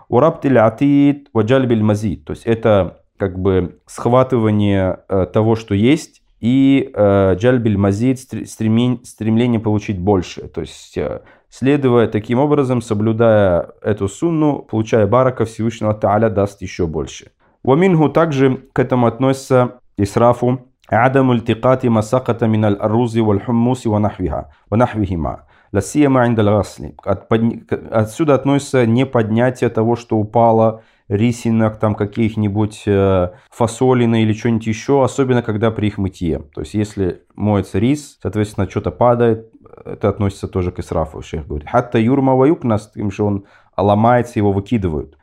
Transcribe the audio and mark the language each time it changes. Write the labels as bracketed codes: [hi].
[ar] Урабти ль-атид ва джальби аль-мазид. [ru] То есть это как бы схватывание того, что есть, и джальбиль мазид, стремление получить больше. То есть, следуя таким образом, соблюдая эту сунну, получая барака, Всевышнего Та'аля даст еще больше. [ar] Ва минху [ru] также к этому относится исрафу [ar] عدم التقاط ما سقط من الأرز والحمص ونحوها ونحوهما لسيما عند الغسل. [ru] Отсюда относится не поднятие того, что упало рисинок, там каких-нибудь фасолины или что-нибудь еще, особенно когда при их мытье. То есть, если моется рис, соответственно, что-то падает, это относится тоже к исрафу, шейх говорит. [ar] Хатта юрма ваюкна, [ru] с тем, что он ломается, его выкидывают.